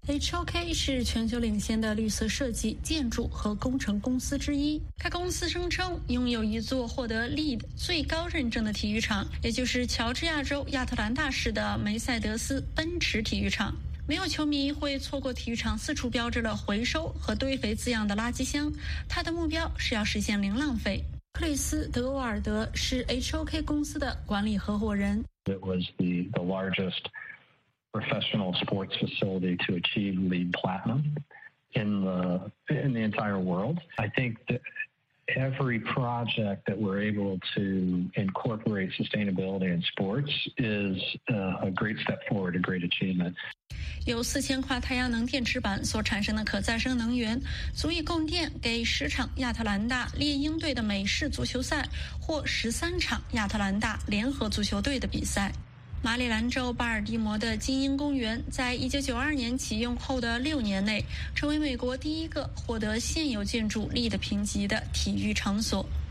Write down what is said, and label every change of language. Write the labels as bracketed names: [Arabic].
[Chinese] HOK 是全球领先的绿色设计建筑和工程公司之一，该公司声称拥有一座获得 LEED 最高认证的体育场，也就是乔治亚州亚特兰大市的梅赛德斯奔驰体育场。没有球迷会错过体育场四处标志了回收和堆肥字样的垃圾箱，他的目标是要实现零浪费。克里斯·德沃尔德是 HOK 公司的管理合伙人。 [English] It was the largest professional sports facility to achieve LEED Platinum in the entire world. I think that every project that we're able to incorporate sustainability in sports is a great step forward, a great achievement. [Chinese] 由4000块太阳能电池板所产生的可再生能源，足以供电给10场亚特兰大猎鹰队的美式足球赛或13场亚特兰大联合足球队的比赛。马里兰州巴尔的摩的精英公园在1992年启用后的6年内，成为美国第一个获得现有建筑力的评级的体育场所。